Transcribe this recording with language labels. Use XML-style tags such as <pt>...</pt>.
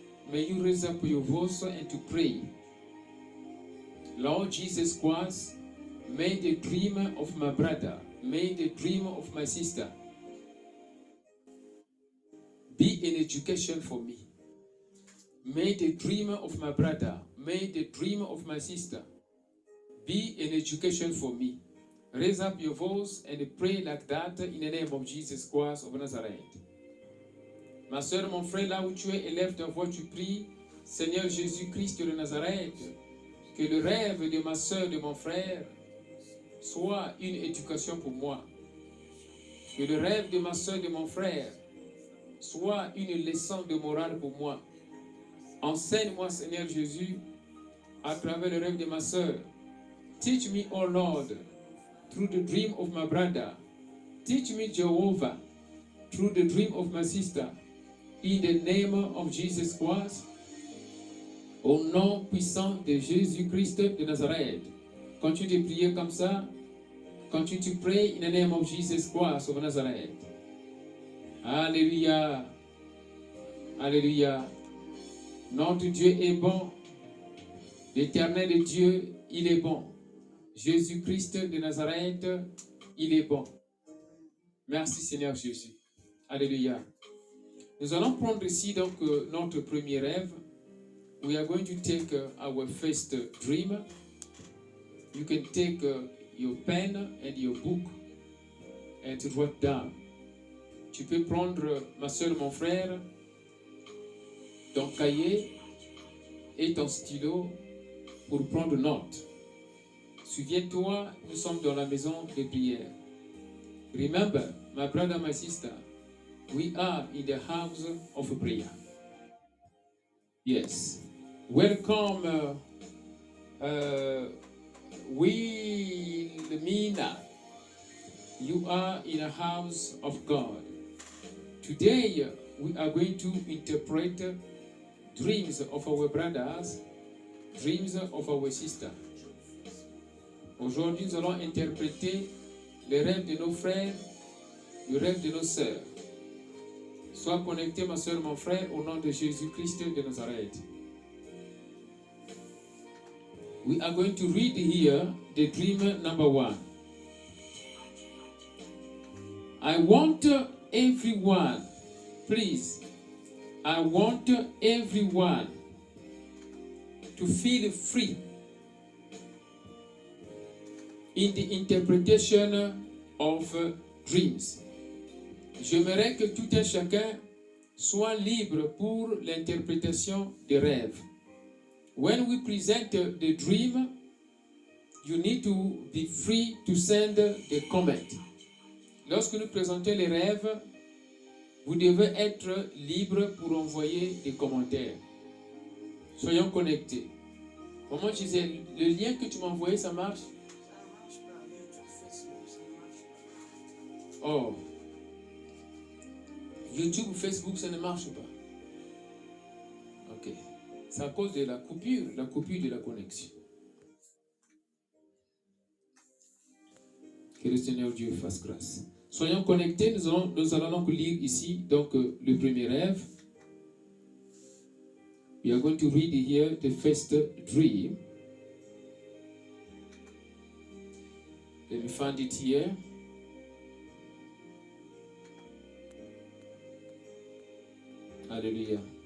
<en>May you raise up your voice and to pray. Lord Jesus Christ, may the dream of my brother, may the dream of my sister be an education for me. May the dream of my brother, may the dream of my sister be an education for me. Raise up your voice and pray like that in the name of Jesus Christ of Nazareth.</en> <fr>Ma soeur, mon frère, là où tu es, élève ta voix, tu pries, Seigneur Jésus Christ de Nazareth, que le rêve de ma soeur, de mon frère, soit une éducation pour moi. Que le rêve de ma soeur, de mon frère, soit une leçon de morale pour moi. Enseigne-moi, Seigneur Jésus, à travers le rêve de ma soeur.</fr> <en>Teach me, O Lord, through the dream of my brother. Teach me, Jehovah, through the dream of my sister. In the name of Jesus Christ,</en> <fr>au nom puissant de Jésus-Christ de Nazareth. Quand tu te pries comme ça, quand tu te pries,</fr> <en>in the name of Jesus Christ of Nazareth.</en> <fr>Alléluia. Alléluia. Notre Dieu est bon. L'éternel Dieu, il est bon. Jésus-Christ de Nazareth, il est bon. Merci Seigneur Jésus. Alléluia. Nous allons prendre ici donc notre premier rêve.</fr> <en>We are going to take our first dream. You can take your pen and your book and write down.</en> <fr>Tu peux prendre, ma soeur, mon frère, ton cahier et ton stylo pour prendre note. Souviens-toi, nous sommes dans la maison de prière.</fr> <en>Remember, my brother, my sister, we are in the house of prayer. Yes. Welcome, Wilmina. You are in the house of God. Today, we are going to interpret dreams of our brothers, dreams of our sisters.</en> <fr>Aujourd'hui, nous allons interpréter les rêves de nos frères, les rêves de nos sœurs. Sois connecté, ma sœur, mon frère, au nom de Jésus-Christ de Nazareth.</fr> <en>We are going to read here the dream number one. I want everyone, please, I want everyone to feel free. In the interpretation of dreams.</en> <fr>J'aimerais que tout un chacun soit libre pour l'interprétation des rêves.</fr> <en>When we present the dream, you need to be free to send the comment.</en> <fr>Lorsque nous présentons les rêves, vous devez être libre pour envoyer des commentaires. Soyons connectés. Comment je disais, le lien que tu m'as envoyé, ça marche? Oh, YouTube ou Facebook, ça ne marche pas. Ok, c'est à cause de la coupure de la connexion. Que le Seigneur Dieu fasse grâce. Soyons connectés, nous allons donc lire ici donc, le premier rêve.</fr> <en>We are going to read here the first dream. Let me find it here. Alleluia.</en>